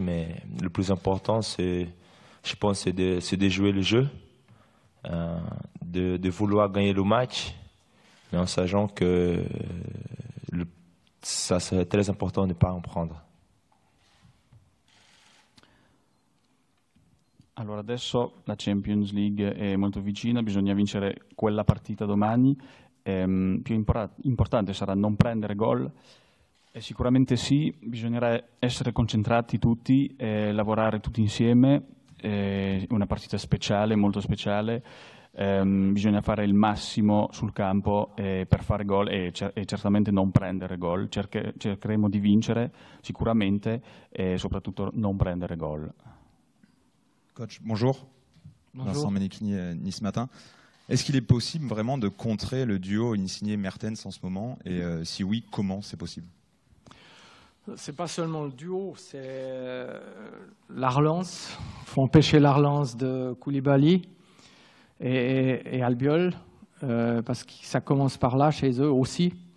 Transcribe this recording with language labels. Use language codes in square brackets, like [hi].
[fr] Mais le plus important, c'est, je pense, c'est de jouer le jeu, de vouloir gagner le match, mais en sachant que ça serait très important de ne pas en prendre. [it] Allora adesso la Champions League è molto vicina, bisogna vincere quella partita domani, più importante sarà non prendere gol, sicuramente sì, bisognerà essere concentrati tutti, lavorare tutti insieme, una partita speciale, molto speciale, bisogna fare il massimo sul campo per fare gol e certamente non prendere gol, cercheremo di vincere sicuramente e soprattutto non prendere gol. [fr] Coach, bonjour. Bonjour. Vincent Menichini, Nice Matin. Est-ce qu'il est possible vraiment de contrer le duo Insigne-Mertens en ce moment? Et si oui, comment c'est possible? C'est pas seulement le duo, c'est la relance. Il faut empêcher la relance de Koulibaly et Albiol, parce que ça commence par là, chez eux aussi.